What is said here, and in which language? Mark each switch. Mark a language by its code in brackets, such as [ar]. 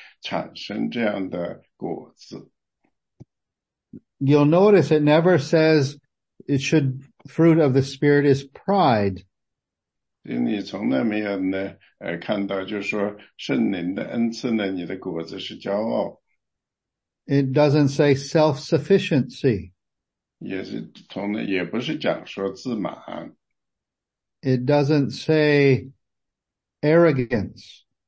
[zh] 从圣灵来的这样的恩赐呢，应该去产生这样的果子。 [en] You'll notice it never says it should, fruit of the Spirit is pride. [zh] 你从来没有呢，看到就是说圣灵的恩赐呢，你的果子是骄傲。 [en] It doesn't say self-sufficiency. [zh] 也不是讲说自满。 [en] It doesn't say arrogance.